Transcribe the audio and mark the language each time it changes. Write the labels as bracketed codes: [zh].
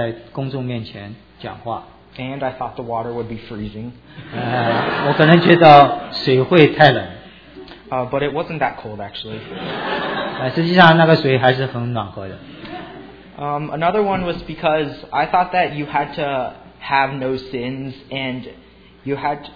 [zh] 我虽然这个耽搁是一个原因，是因为我不太善于言辞，在公众面前讲话。 [en] And I thought the water would be freezing. [zh] 我可能觉得水会太冷。 [en] But it wasn't that cold, actually. [zh] 实际上那个水还是很暖和的。 [en] Another one was because I thought that you had to have no sins and you had to...